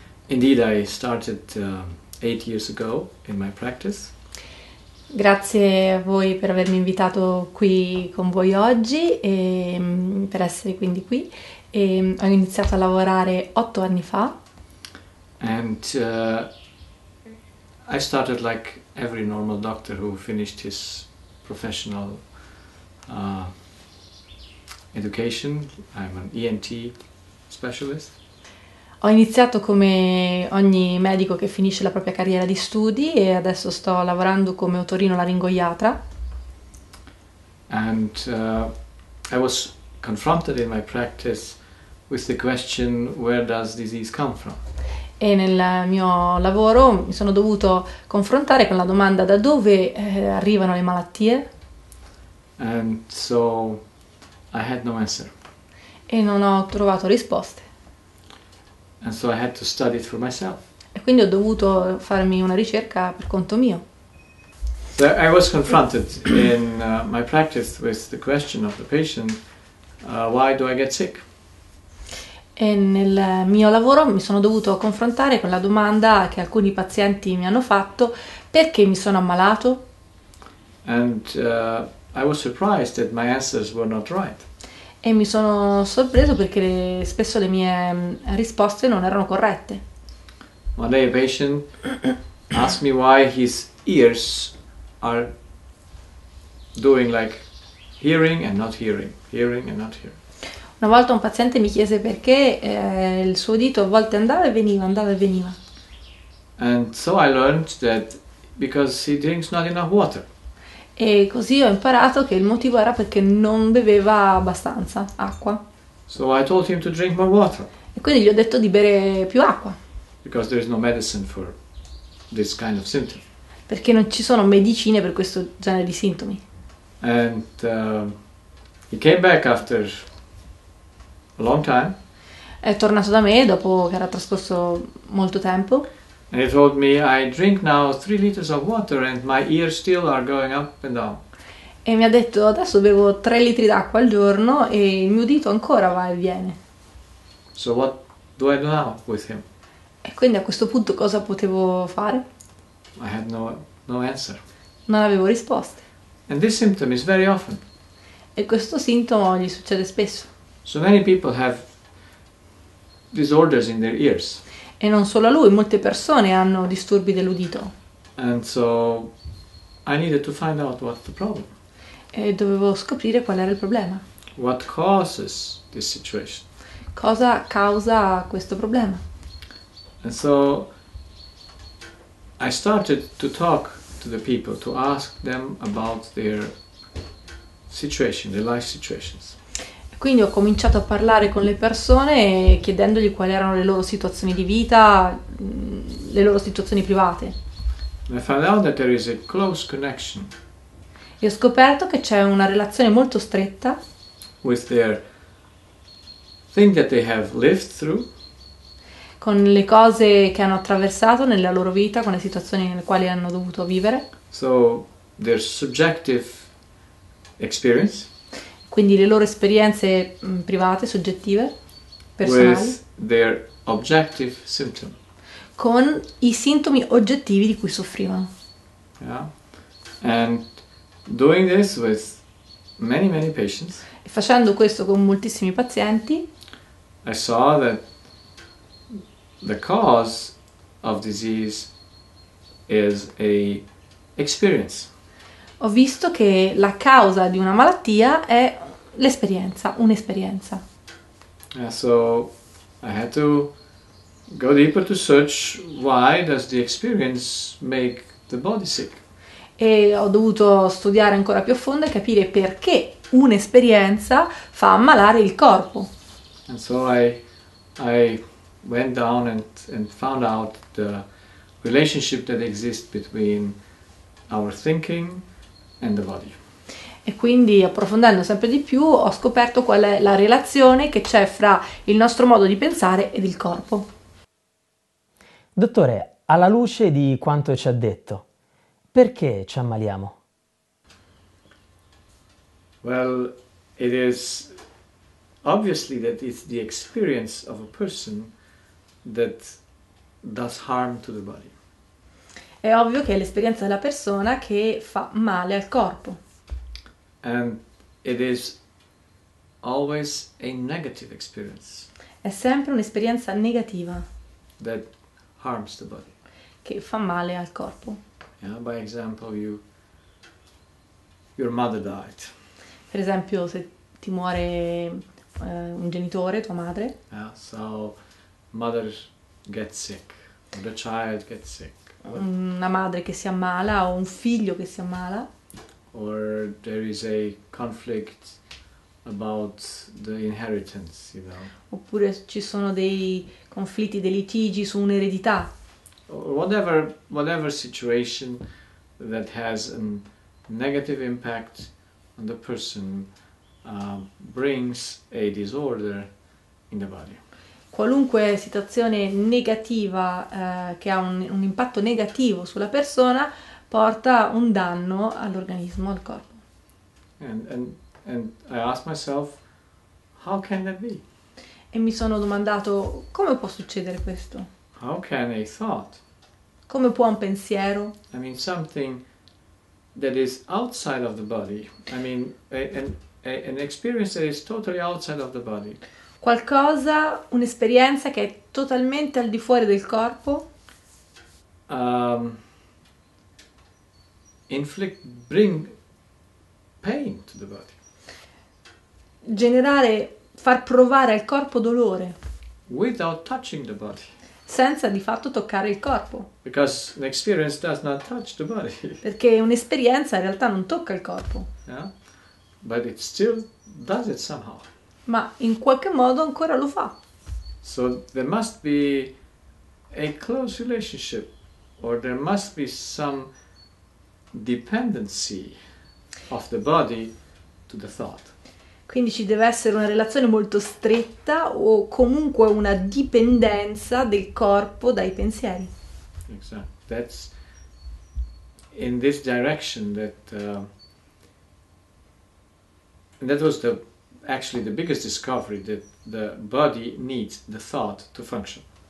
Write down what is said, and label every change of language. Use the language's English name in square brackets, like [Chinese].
[English] Indeed, I started 8 years ago in my practice. [Italian] Grazie a voi per avermi invitato qui con voi oggi e per essere quindi qui. E ho iniziato a lavorare 8 anni fa. [English] And I started like every normal doctor who finished his professional education. I'm an ENT specialist. [Italian] Ho iniziato come ogni medico che finisce la propria carriera di studi e adesso sto lavorando come otorinolaringoiatra. [English] And I was confronted in my practice with the question, where does disease come from? [Italian] E nel mio lavoro mi sono dovuto confrontare con la domanda da dove arrivano le malattie? [English] And so I had no answer. [Italian] E non ho trovato risposte. [English] And so I had to study it for myself. [Italian] E quindi ho dovuto farmi una ricerca per conto mio. [English] So I was confronted in my practice with the question of the patient, why do I get sick? [Italian] E nel mio lavoro mi sono dovuto confrontare con la domanda che alcuni pazienti mi hanno fatto, perché mi sono ammalato? [English] And I was surprised that my answers were not right. [Italian] E mi sono sorpreso perché spesso le mie risposte non erano corrette. [English] One day a patient asked me why his ears are doing like hearing and not hearing, hearing and not hearing. [Italian] Una volta un paziente mi chiese perché il suo dito a volte andava e veniva, andava e veniva. [English] And so I learned that because he drinks not enough water. [Italian] E così ho imparato che il motivo era perché non beveva abbastanza acqua. [English] So I told him to drink more water. [Italian] E quindi gli ho detto di bere più acqua. [English] Because there is no medicine for this kind of symptom. [Italian] Perché non ci sono medicine per questo genere di sintomi. [English] And he came back after a long time. [Italian] È tornato da me dopo che era trascorso molto tempo. [English] And he told me, I drink now 3 liters of water and my ears still are going up and down. [Italian] E mi ha detto, adesso bevo 3 litri d'acqua al giorno e il mio dito ancora va e viene. [English] So what do I do now with him? [Italian] E quindi a questo punto cosa potevo fare? [English] I had no answer. [Italian] Non avevo risposte. [English] And this symptom is very often. [Italian] E questo sintomo gli succede spesso. [English] So many people have disorders in their ears. [Italian] E non solo a lui, molte persone hanno disturbi dell'udito. [English] And so I needed to find out what the problem. [Italian] E dovevo scoprire qual era il problema. [English] What causes this situation? [Italian] Cosa causa questo problema? [English] And so I started to talk to the people, to ask them about their situation, their life situations. [Italian] Quindi ho cominciato a parlare con le persone chiedendogli quali erano le loro situazioni di vita, le loro situazioni private. [English] I found out that there is a close connection. [Italian] E ho scoperto che c'è una relazione molto stretta [English] with their thing that they have lived through. [Italian] Con le cose che hanno attraversato nella loro vita, con le situazioni nelle quali hanno dovuto vivere. [English] So their subjective experience. [Italian] Quindi le loro esperienze private, soggettive, personali. [English] With their objective symptom. [Italian] Con i sintomi oggettivi di cui soffrivano. [English] Yeah. And doing this with many, many patients. [Italian] E facendo questo con moltissimi pazienti. [English] I saw that the cause of disease is a experience. [Italian] Ho visto che la causa di una malattia è l'esperienza, un'esperienza. [English] Yeah, so I had to go deeper to search why does the experience make the body sick. [Italian] E ho dovuto studiare ancora più a fondo e capire perché un'esperienza fa ammalare il corpo. [English] And so I went down and found out the relationship that exists between our thinking and the body. [Italian] E quindi, approfondendo sempre di più, ho scoperto qual è la relazione che c'è fra il nostro modo di pensare ed il corpo. Dottore, alla luce di quanto ci ha detto, perché ci ammaliamo? [English] Well, it is obviously that it's the experience of a person that does harm to the body. [Italian] È ovvio che è l'esperienza della persona che fa male al corpo. [English] And it is always a negative experience. [Italian] È sempre un'esperienza negativa. [English] That harms the body. [Italian] Che fa male al corpo. [English] Yeah, by example, your mother died. [Italian] Per esempio, se ti muore un genitore, tua madre. [English] Yeah, so mother gets sick, or the child gets sick. [Italian] Una madre che si ammala o un figlio che si ammala. [English] Or there is a conflict about the inheritance, you know. [Italian] Oppure ci sono dei conflitti, dei litigi su un'eredità. [English] Or whatever situation that has a negative impact on the person brings a disorder in the body. [Italian] Qualunque situazione negativa che ha un impatto negativo sulla persona porta un danno all'organismo, al corpo. [English] And I asked myself, how can that be? [Italian] E mi sono domandato, come può succedere questo? [English] How can a thought? [Italian] Come può un pensiero? [English] I mean, something that is outside of the body. I mean, an experience that is totally outside of the body. [Italian] Qualcosa, un'esperienza che è totalmente al di fuori del corpo. [English] Inflict, bring pain to the body. [Italian] Generare, far provare al corpo dolore. [English] Without touching the body. [Italian] Senza di fatto toccare il corpo. [English] Because an experience does not touch the body. [Italian] Perché un'esperienza in realtà non tocca il corpo. [English] Yeah? But it still does it somehow. [Italian] Ma in qualche modo ancora lo fa. [English] So there must be a close relationship, or there must be some dependency of the body to the thought. [Italian] Quindi ci deve essere una relazione molto stretta o comunque una dipendenza del corpo dai pensieri. [English] Exactly. That's in this direction that that was the actually the biggest discovery that the body needs the thought to function.